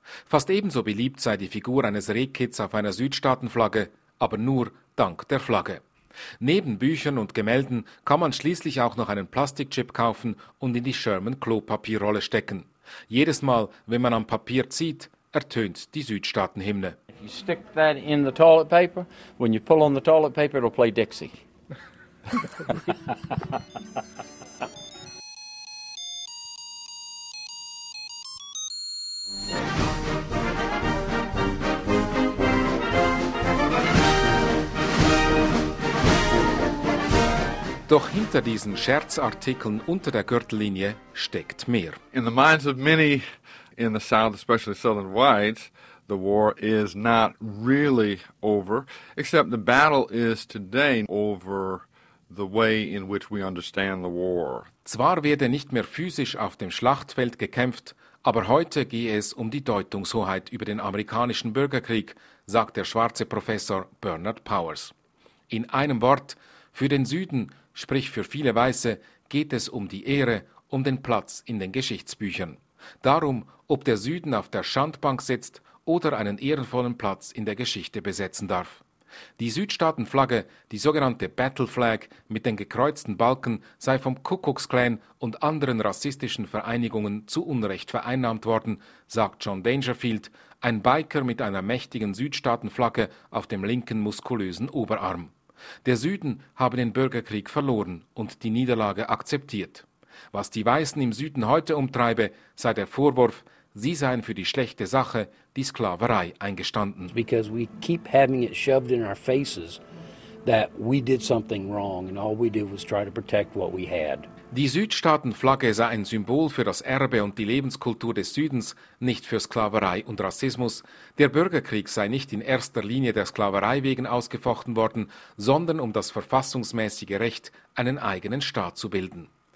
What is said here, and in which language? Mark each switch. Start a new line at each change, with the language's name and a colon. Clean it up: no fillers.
German: Fast ebenso beliebt sei die Figur eines Rehkitz auf einer Südstaatenflagge, aber nur dank der Flagge. Neben Büchern und Gemälden kann man schließlich auch noch einen Plastikchip kaufen und in die Sherman-Klopapierrolle stecken. Jedes Mal, wenn man am Papier zieht, ertönt die Südstaatenhymne.
English: If you stick that in the toilet paper, when you pull on the toilet paper, it'll play Dixie.
German: Doch hinter diesen Scherzartikeln unter der Gürtellinie steckt mehr.
English: In the minds of many in the South, especially Southern whites, the war is not really over, except the battle is today over the way in which we understand the war.
German: Zwar werde nicht mehr physisch auf dem Schlachtfeld gekämpft, aber heute gehe es um die Deutungshoheit über den amerikanischen Bürgerkrieg, sagt der schwarze Professor Bernard Powers. In einem Wort, für den Süden, sprich für viele Weiße, geht es um die Ehre, um den Platz in den Geschichtsbüchern. Darum, ob der Süden auf der Schandbank sitzt oder einen ehrenvollen Platz in der Geschichte besetzen darf. Die Südstaatenflagge, die sogenannte Battle Flag mit den gekreuzten Balken, sei vom Ku Klux Klan und anderen rassistischen Vereinigungen zu Unrecht vereinnahmt worden, sagt John Dangerfield, ein Biker mit einer mächtigen Südstaatenflagge auf dem linken muskulösen Oberarm. Der Süden habe den Bürgerkrieg verloren und die Niederlage akzeptiert. Was die Weißen im Süden heute umtreibe, sei der Vorwurf, sie seien für die schlechte Sache, die Sklaverei, eingestanden.
English: Because we keep having it shoved in our faces that we did something wrong and all we did was try to protect what we had.
German: Die Südstaatenflagge sei ein Symbol für das Erbe und die Lebenskultur des Südens, nicht für Sklaverei und Rassismus. Der Bürgerkrieg sei nicht in erster Linie der Sklaverei wegen ausgefochten worden, sondern um das verfassungsmäßige Recht, einen eigenen Staat zu bilden.